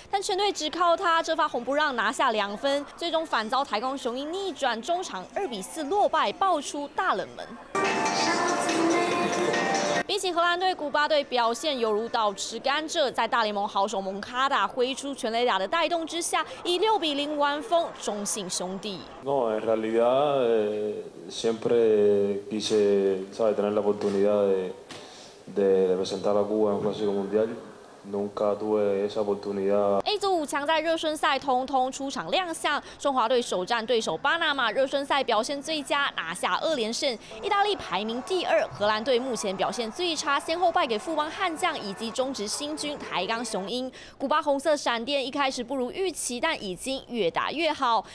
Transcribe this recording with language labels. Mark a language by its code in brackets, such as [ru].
[zh] 但全队只靠他这发红不让拿下2分，最终反遭台钢雄鹰逆转，中场2-4落败，爆出大冷门。比起荷兰队，古巴队表现犹如倒吃甘蔗，在大联盟好手蒙卡达挥出全垒打的带动之下，以6-0完封中信兄弟。 [es] No, en realidad, siempre quise, sabes, tener la oportunidad de presentar a Cuba en un clásico mundial. Nunca tuve esa oportunidad. [zh] A 组五强在热身赛通通出场亮相，中华队首战对手巴拿马热身赛表现最佳，拿下2连胜。意大利排名第二，荷兰队目前表现最差，先后败给富邦悍将以及中职新军台钢雄鹰。古巴红色闪电一开始不如预期，但已经越打越好。